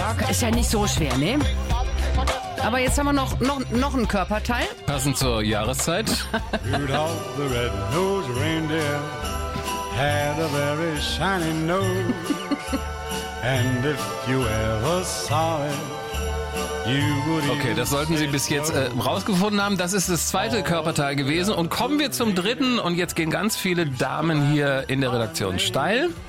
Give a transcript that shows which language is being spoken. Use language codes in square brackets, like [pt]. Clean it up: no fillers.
[de] ist ja nicht so schwer, ne? Aber jetzt haben wir noch einen Körperteil. Passend zur Jahreszeit. [en] Rudolph the Red-Nosed Reindeer had a very shiny nose. And if you ever saw it, you would even. [de] Okay, das sollten Sie bis jetzt rausgefunden haben. Das ist das zweite Körperteil gewesen. Und kommen wir zum dritten. Und jetzt gehen ganz viele Damen hier in der Redaktion steil.